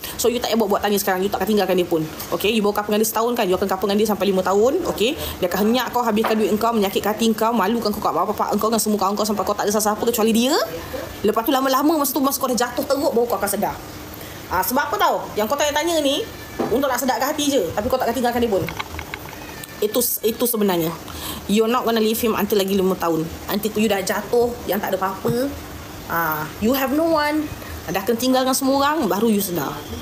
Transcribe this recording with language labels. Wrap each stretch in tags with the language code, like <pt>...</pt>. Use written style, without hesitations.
<ms>So, you tak payah buat-buat tanya sekarang. You takkan tinggalkan dia pun. Okay? You bawa kapal dengan dia setahun kan? You akan kapal dengan dia sampai 5 tahun. Okay? Dia akan henyak kau, habiskan duit kau, menyakit hati kau, malukan kau kat bapak-bapak kau dengan semua kawan kau sampai kau tak ada sesiapa kecuali dia. Lepas tu lama-lama masa tu masa kau dah jatuh teruk baru kau akan sedar. Sebab apa tau? Yang kau tanya-tanya ni untuk nak sedarkan hati je. Tapi kau takkan tinggalkan dia pun. Itu sebenarnya.</ms> <en>You're not gonna leave him until</en> <ms>lagi 5 tahun. Nanti you dah jatuh yang tak ada apa-apa.</ms> <en>You have no one.</en> <ms>Dah kena tinggalkan semua orang baru you sedar.</ms>